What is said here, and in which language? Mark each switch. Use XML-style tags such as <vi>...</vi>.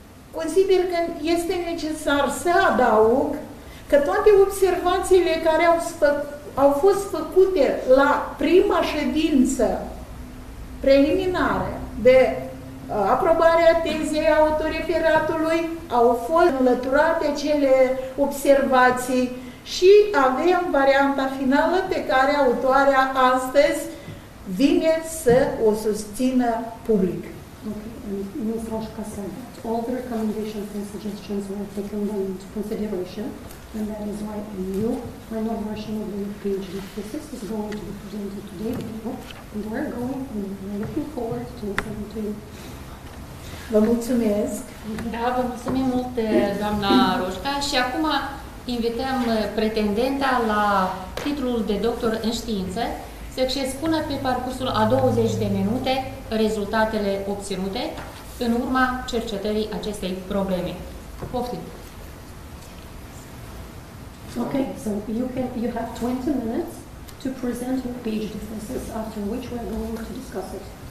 <ro>Consider că este necesar să adaug că toate observațiile care au fost făcute la prima ședință preliminare de aprobarea tezei autoreferatului au fost înlăturate cele observații și avem varianta finală pe care autoarea astăzi vine să o susțină public.</ro> <en>Okay. All the recommendations and suggestions were taken into consideration, and that is why a new final version of the PhD thesis is going to be presented today. And we're going and we're looking forward to listening to you.</en> <ro>Vă mulțumesc! Da, vă mulțumim mult, doamna Roșca. Și acum invităm pretendenta la titlul de doctor în știință să-și expună pe parcursul a 20 de minute rezultatele obținute în urma cercetării acestei probleme. Poftim!</ro> <en>Ok, so you have 20 minutes to present your PhD thesis, after which we're going to discuss it.</en>